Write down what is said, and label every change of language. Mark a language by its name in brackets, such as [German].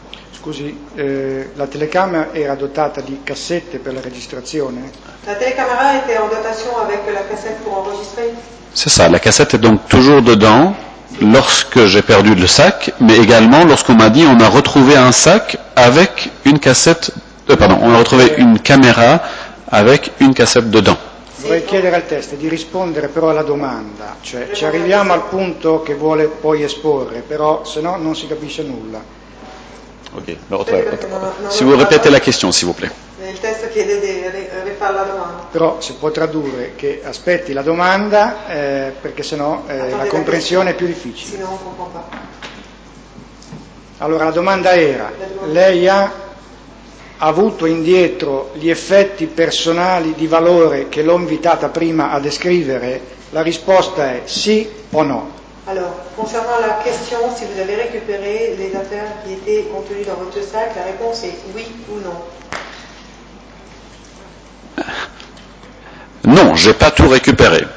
[Italian] Scusi, la telecamera era dotata di cassette per la registrazione? [French] La telecamera était en dotation avec la cassette pour enregistrer? C'est ça, la cassette est donc toujours dedans lorsque j'ai perdu le sac, mais également lorsqu'on m'a dit on a retrouvé un sac avec une cassette, pardon, on a retrouvé une caméra avec une cassette dedans. [Italian] Vorrei chiedere al test di rispondere però alla domanda, cioè ci arriviamo al punto che vuole poi esporre, però se no non si capisce nulla. [French] Ok, l'autre, non, non si vous répétez la question, s'il vous plaît. [Italian] Il testo chiede di rifare la domanda. Però si può tradurre che aspetti la domanda, perché sennò la comprensione è più difficile. Allora, la domanda era, lei ha avuto indietro gli effetti personali di valore che l'ho invitata prima a descrivere? La risposta è sì o no? [French] Alors, concernant la question, si vous avez récupéré les affaires qui étaient contenues dans votre sac, la réponse est oui ou non. Non, je n'ai pas tout récupéré.